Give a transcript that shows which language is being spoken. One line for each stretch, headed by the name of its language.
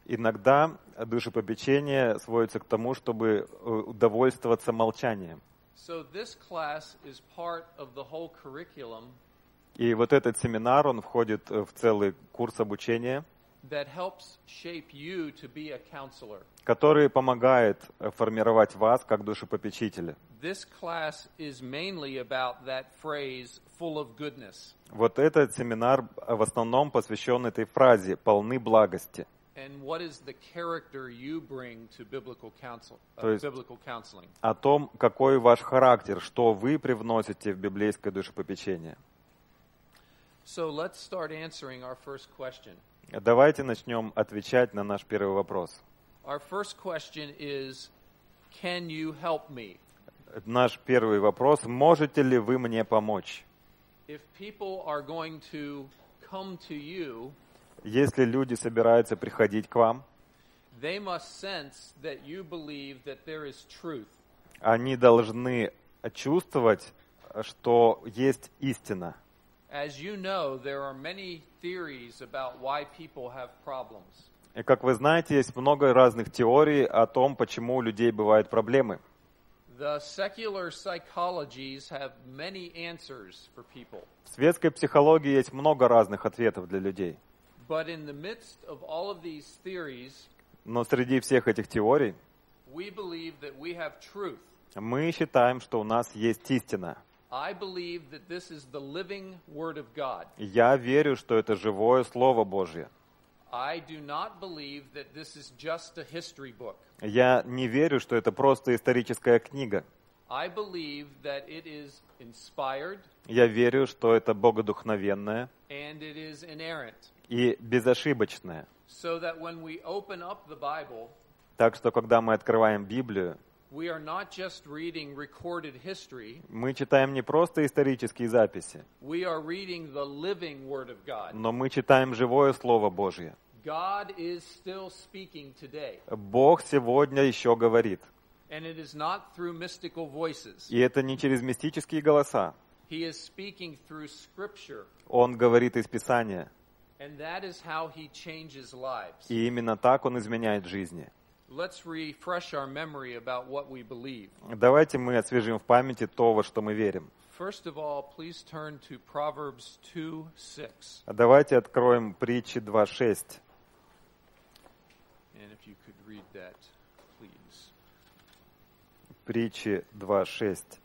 Russian: Иногда душепопечение сводится к тому, чтобы удовольствоваться молчанием.
English: So this class is part of the whole curriculum.
Russian: И вот этот семинар, он входит в целый курс обучения.
English: That helps shape you to be a counselor.
Russian: Который помогает формировать вас как душепопечителя.
English: This class is mainly about that phrase full of goodness.
Russian: Вот этот семинар в основном посвящён этой фразе полны благости.
English: And what is the character you bring to biblical counsel, biblical counseling?
Russian: О том, какой ваш характер, что вы привносите в библейское душепопечение.
English: So let's start answering our first question.
Russian: Давайте начнём отвечать на наш первый вопрос.
English: Our first question is, can you help me?
Russian: Наш первый вопрос: можете ли вы мне помочь?
English: If people are going to come to you,
Russian: если люди собираются приходить к вам,
English: they must sense that you believe that there is truth.
Russian: Они должны чувствовать, что есть истина.
English: As you know, there are many theories about why people have problems.
Russian: И как вы знаете, есть много разных теорий о том, почему у людей бывают проблемы.
English: The secular psychologies have many answers for people.
Russian: В светской психологии есть много разных ответов для людей.
English: But in the midst of all of these theories,
Russian: но среди всех этих теорий,
English: we believe that we have truth.
Russian: Мы считаем, что у нас есть истина.
English: I believe that this is the living word of God.
Russian: Я верю, что это живое слово Божье.
English: I do not believe that this is just a history book.
Russian: Я не верю, что это просто историческая книга.
English: I believe that it is inspired.
Russian: Я верю, что это богодухновенное.
English: And it is inerrant.
Russian: И безошибочное.
English: So that when we open up the Bible,
Russian: так что когда мы открываем Библию,
English: we are not just reading recorded history.
Russian: Мы читаем не просто исторические записи.
English: We are reading the living word of God.
Russian: Но мы читаем живое слово Божье.
English: God is still speaking today.
Russian: Бог сегодня ещё говорит.
English: And it is not through mystical voices.
Russian: И это не через мистические голоса.
English: He is speaking through scripture.
Russian: Он говорит из Писания.
English: And that is how he changes lives.
Russian: И именно так он изменяет жизни.
English: Let's refresh our memory about what we believe.
Russian: Давайте мы освежим в памяти то, во что мы верим.
English: First of all, please turn to Proverbs 2:6.
Russian: Давайте откроем притчи 2:6.
English: And if you could read that, please.
Russian: Притчи 2:6.